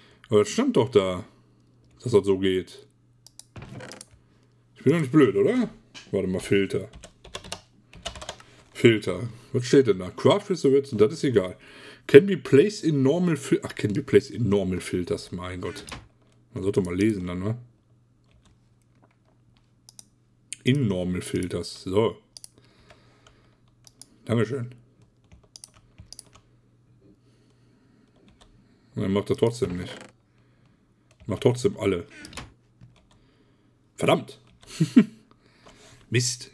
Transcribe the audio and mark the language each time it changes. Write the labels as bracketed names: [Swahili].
[German] Aber das stand doch da, dass das so geht. Ich bin doch nicht blöd, oder? Warte mal, Filter. Filter. Was steht denn da? Craft Reserves, das ist egal. [English] Can be placed in normal Filters. Ach, can be placed in normal Filters. [German] Mein Gott. Man sollte mal lesen dann, ne? [English] In normal Filters. So. [German] Dankeschön. Dann macht er trotzdem nicht. Macht trotzdem alle. Verdammt. Mist.